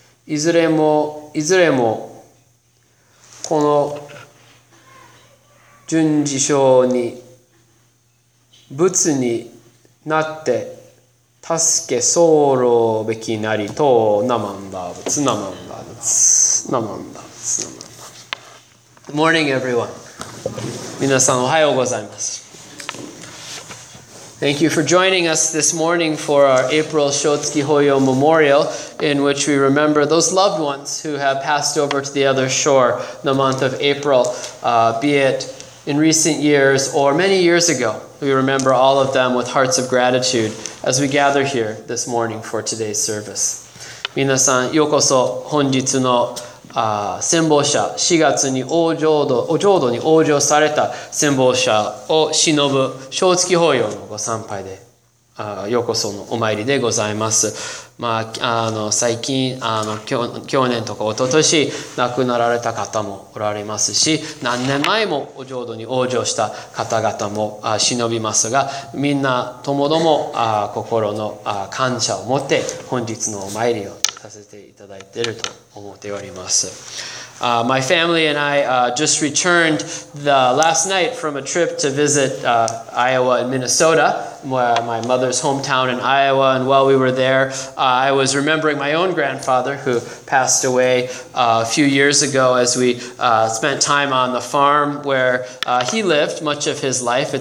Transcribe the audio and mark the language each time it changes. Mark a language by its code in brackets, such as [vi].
[ja] いずれもこの順次生に仏になって助け候べきなりとなまんだぶつなまんだぶつなまんだぶつなまんだ。 [en] Good morning, everyone. [ja] 皆さんおはようございます。 [en] Thank you for joining us this morning for our April Shotsuki Hoyo Memorial, in which we remember those loved ones who have passed over to the other shore in the month of April, be it in recent years or many years ago. We remember all of them with hearts of gratitude as we gather here this morning for today's service. [ja] 皆さん、ようこそ本日の戦没者、4月に浄土に往生された戦没者を偲ぶ正月法要のご参拝で、ようこそのお参りでございます。まあ、最近、去年とか一昨年亡くなられた方もおられますし、何年前もお浄土に往生した方々も忍びますが、みんなともども心の感謝を持って本日のお参りをさせていただいていると思っております。 [en] My family and I just returned the last night from a trip to visit Iowa and Minnesota, my mother's hometown in Iowa. And while we were there, I was remembering my own grandfather who passed away a few years ago as we spent time on the farm where he lived much of his life.